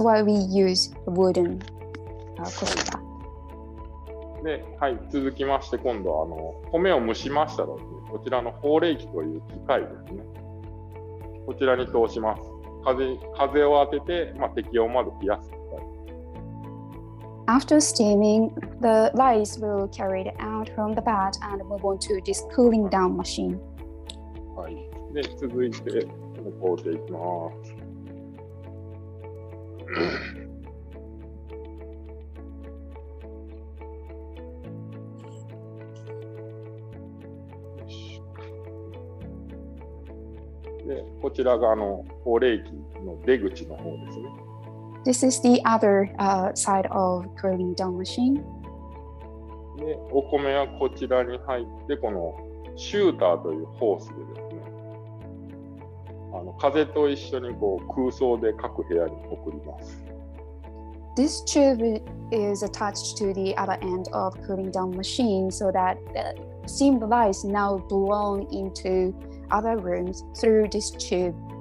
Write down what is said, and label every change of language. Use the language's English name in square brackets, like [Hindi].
[English] That's why we use wooden 古式だ。 [Japanese] で、はい。続きまして、今度はあの米を蒸しましたらですね、こちらの放冷機という機械ですね。こちらに通します。風を当てて、まあ、適温まで冷やす。 [English] After steaming, the rice will carry it out from the bat and move on to this cooling down machine. [Japanese] はい。で、続いて、この工程いきます。で、こちらがあの、保冷機。の出口の方ですね。 [English] This is the other side of cooling down machine. [Japanese] で、お米はこちらに入って、このシューターというホースでですね、あの風と一緒にこう空想で各部屋に送ります。 [English] This tube is attached to the other end of cooling down machine so that the steam rice now blown into other rooms through this tube.